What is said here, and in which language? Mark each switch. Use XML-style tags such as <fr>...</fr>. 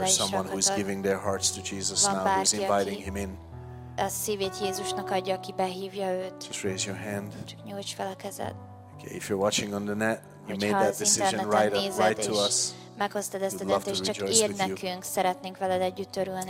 <hu>le is rakhatod.</hu> <en>Is there someone who is giving their hearts to Jesus now, who is inviting him in?</en> <hu>A szívét Jézusnak adja, aki behívja őt.</hu> <en>Just raise your hand.</en> <hu>Csak nyújts fel a kezed.</hu> <en>Okay, if you're watching on the net, you made that decision, write to us.</en> <hu>Meghoztad ezt a döntést, csak írd nekünk, szeretnénk veled együtt örülni.</hu>